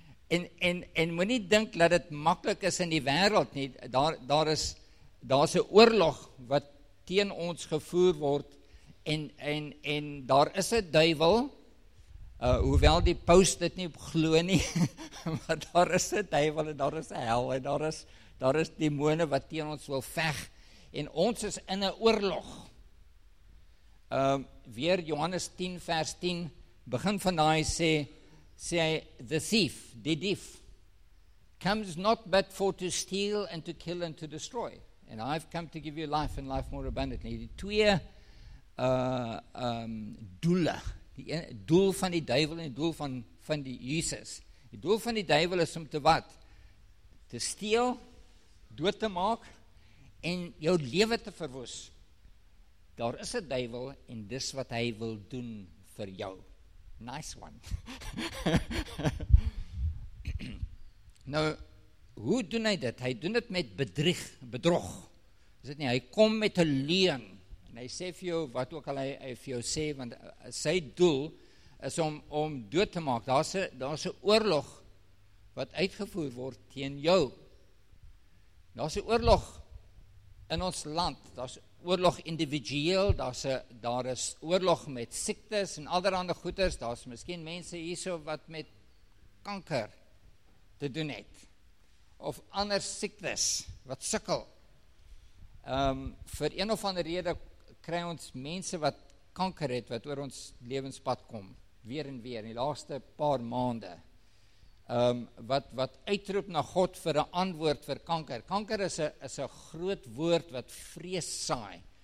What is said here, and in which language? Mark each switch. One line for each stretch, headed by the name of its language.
Afrikaans: En moet nie dink dat het makkelijk is in die wereld nie, daar is een oorlog wat teen ons gevoer word, en daar is 'n duiwel, hoewel die post dit nie glo nie, maar daar is 'n duiwel, en daar is 'n hel, en daar is demone wat teen ons wil veg, en ons is in 'n oorlog. Weer Johannes 10 vers 10, begin van daai sê hy, die dief,
English: comes not but for to steal and to kill and to destroy, and I've come to give you life and life more abundantly.
Afrikaans: Die twee doele, die doel van die duivel en die doel van die Jesus. Die doel van die duivel is om te wat? Te steel, dood te maak en jou lewe te verwoes. Daar is 'n duivel en dis wat hy wil doen vir jou.
English: Nice one.
Afrikaans: Nou, hoe doen hy dit? Hy doen dit met bedrog. Is dit nie? Hy kom met 'n leuen. En hy sê vir jou, wat ook al hy vir jou sê, want sy doel is om dood te maak. Daar is 'n oorlog wat uitgevoer word teen jou. Daar's 'n oorlog in ons land. Daar's oorlog individueel, daar is oorlog met siektes en allerhande goeders. Daar's miskien mense hierso wat met kanker te doen het. Of ander siektes wat sukkel. Vir een of ander rede kry ons mense wat kanker het, wat oor ons lewenspad kom, weer en weer, in die laaste paar maande, wat uitroep na God vir 'n antwoord vir kanker. Kanker is a groot woord wat vrees saai.